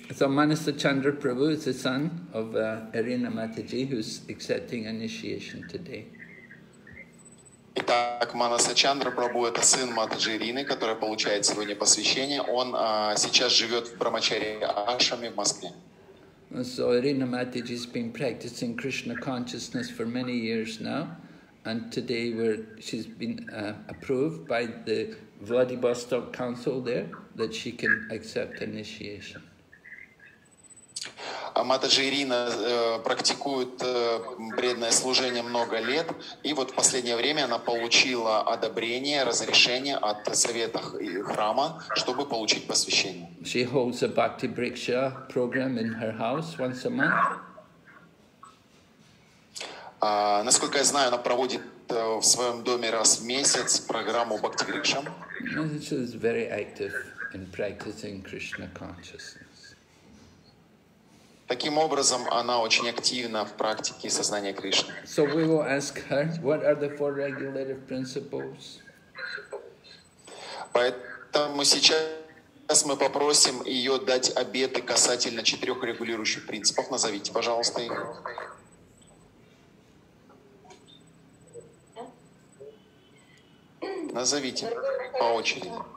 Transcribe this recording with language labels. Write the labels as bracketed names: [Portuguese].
[English] So Manasa Chandra Prabhu is the son of Arina Mataji, who's accepting initiation today. [Russian] Итак, Манаса Чандра Прабху — это сын Матаджи Ирины, которая получает сегодня посвящение. Он сейчас живет в Брамачари Ашраме в Москве. [English] So Arina Mataji has been practicing Krishna consciousness for many years now, and today she's been approved by the Vladivostok Council there that she can accept initiation. [Russian] Матаджи Ирина практикует преданное служение много лет, и вот в последнее время она получила одобрение, разрешение от совета храма, чтобы получить посвящение. [English] She holds a Bhakti Briksha program in her house once a month. [Russian] Насколько я знаю, она проводит в своем доме раз в месяц программу Bhakti Briksha. [English] She is very active in practicing Krishna consciousness. [Russian] Таким образом, она очень активна в практике сознания Кришны. [English] So we will ask her, what are the four regulative principles? [Russian] Поэтому сейчас мы попросим ее дать обеты касательно четырех регулирующих принципов. Назовите, пожалуйста, их. Назовите по очереди.